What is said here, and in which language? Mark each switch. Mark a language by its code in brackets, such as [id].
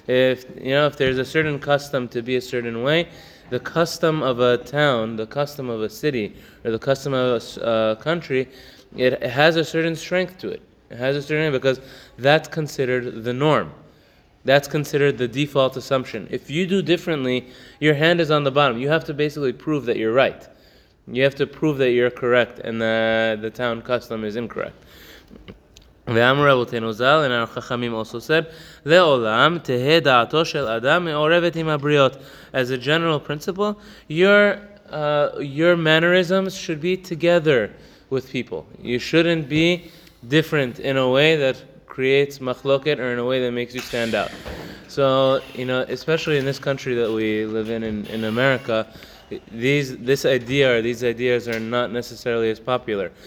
[en] If there's a certain custom to be a certain way, the custom of a town, the custom of a city, or the custom of a country, it has a certain strength to it. It has a certain, because that's considered the norm. That's considered the default assumption. If you do differently, your hand is on the bottom. You have to basically prove that you're right. You have to prove that you're correct and the town custom is incorrect. [he] ואמר רבותינו זל, [en] and our חכמים also said, [he] לעולם תהה דעתו של אדם מעורבת עם הבריות. [en] As a general principle, your mannerisms should be together with people. You shouldn't be different in a way that creates machloket or in a way that makes you stand out. So, you know, especially in this country that we live in America, these ideas are not necessarily as popular.